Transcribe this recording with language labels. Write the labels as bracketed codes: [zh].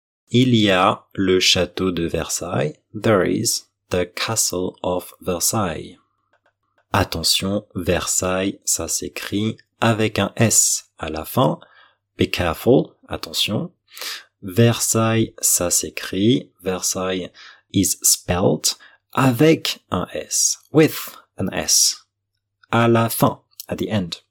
[fr] Il y a le château de Versailles. [en] There is the castle of Versailles. [fr] Attention, Versailles, ça s'écrit avec un S à la fin. [en] Be careful, attention. [fr] Versailles, ça s'écrit, [en] Versailles is spelled [fr] avec un S, [en] with an S, [fr] à la fin, [en] at the end.